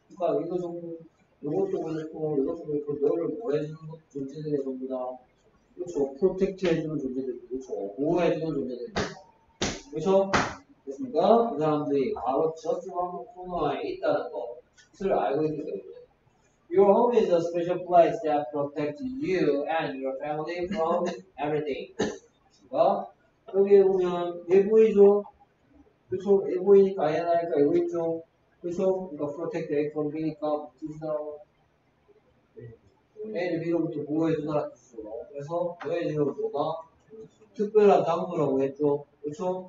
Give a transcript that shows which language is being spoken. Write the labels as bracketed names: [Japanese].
[Korean] 그러니까 이것도 그렇고 너를 뭐 해주는 존재들이 전부 다 그렇죠. 프로텍트 해주는 존재들이 그렇죠. 보호해주는 존재들이 그렇죠. 그렇습니까? 그 사람들이 바로 저쪽 한 코너에 있다는 것을 알고 있기 때문에. [English] Your home is a special place that protects you and your family from everything. [Korean] 그렇습니까? 여기 보면 외부이죠. 그렇죠. 외부이니까 아니니까 이거 있죠. 그렇죠. 그러니까 [English] protect A from B [Korean] 니까 A를 B로부터 보호해준다는 뜻이죠. 그래서 너의 지역도가 특별한 장소라고 했죠. 그렇죠?